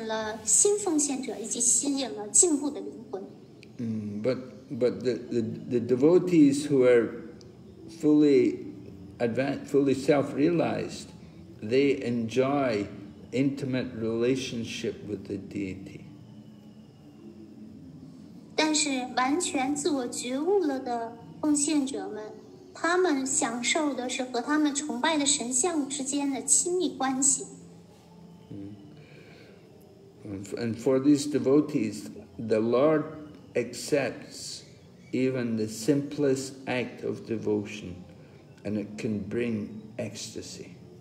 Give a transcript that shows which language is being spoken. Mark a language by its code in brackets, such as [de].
[zh] 崇拜至尊主的神像形象呢，它这个方法吸引了新奉献者以及吸引了进步的灵魂。 [en] But the devotees who are fully advanced, fully self-realized, they enjoy intimate relationship with the deity. [zh] 但是完全自我觉悟了的奉献者们，他们享受的是和他们崇拜的神像之间的亲密关系。 [en] And for these devotees, the Lord accepts even the simplest act of devotion, and it can bring ecstasy.